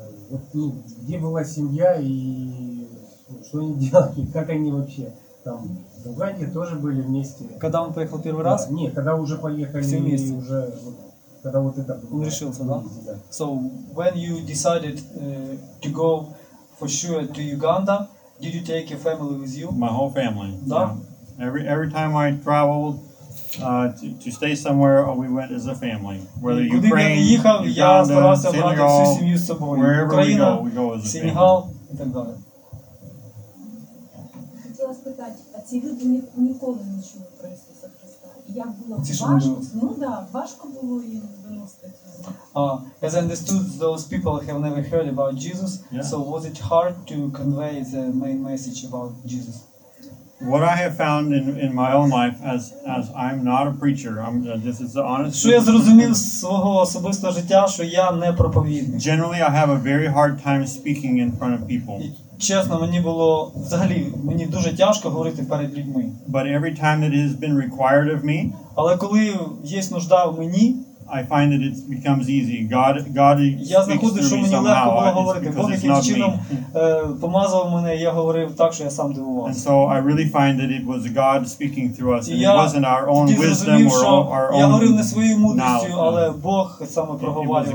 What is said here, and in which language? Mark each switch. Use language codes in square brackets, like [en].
[ru] Вот, ну, где была семья и что они делали? Как они вообще там в Уганде тоже были вместе? Когда он поехал первый раз? Нет, когда уже поехали все вместе. И уже вот, когда вот это было. Он решился, да? [en] So when you decided to go for sure to Uganda, did you take your family with you? My whole family. [ru] Да. [en] Yeah. Every time I traveled. To stay somewhere, or we went as a family. Whether Ukraine, [uk] їхав, [en] Uganda, [uk] я [en] Senegal, [uk] всю сім'ю з собою. [en] Wherever [uk] Україна, [en] we go as a Senegal, family. [uk] І так далі. Хотіла спитати, а ці люди ніколи не чули про Ісуса Христа? Як було важко? Ну да, важко було їм донести. [en] As I understood, those people have never heard about Jesus, yeah. So was it hard to convey the main message about Jesus? What I have found in my own life as I'm not a preacher, I'm this is the honest. [uk] Що я зрозумів з свого особистого життя, що я не проповідник. [en] Generally I have a very hard time speaking in front of people. [uk] Чесно, мені було взагалі, мені дуже тяжко говорити перед людьми. [en] But every time that it has been required of me, [uk] але коли є нужда в мені, [en] I find that it becomes easy. God [uk] я знаходжу, що мені [en] somehow, [uk] легко було говорити. Бог якимсь чином помазав мене, я говорив так, що я сам дивувався. [en] And so I really find that it was God speaking through us, and it wasn't our own wisdom or our own. [uk] Я говорив не своєю мудрістю, але Бог саме проговорив.